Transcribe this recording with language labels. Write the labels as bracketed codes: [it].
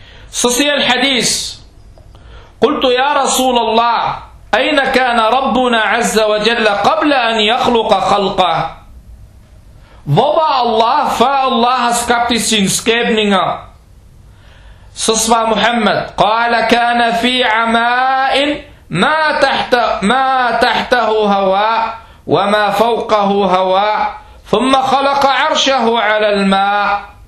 [da] Så siger al-hadith, [ar] قُلْتُ يَا رَسُولَ اللَّهِ أَيْنَ كَانَ رَبُّنَا عَزَّ وَجَلَّ قَبْلَ أَنْ يَخْلُقَ خَلْقَهُ. [da] Hvor var Allah, før Allah har skabt sine skabninger? Så svarer Muhammad, [ar] قَالَ كَانَ فِي عَمَاءٍ مَا تَحْتَهُ هَوَاء وَمَا فَوْقَهُ هَوَاء ثُمَّ خَلَقَ عَرْشَهُ عَلَى الْمَاءِ.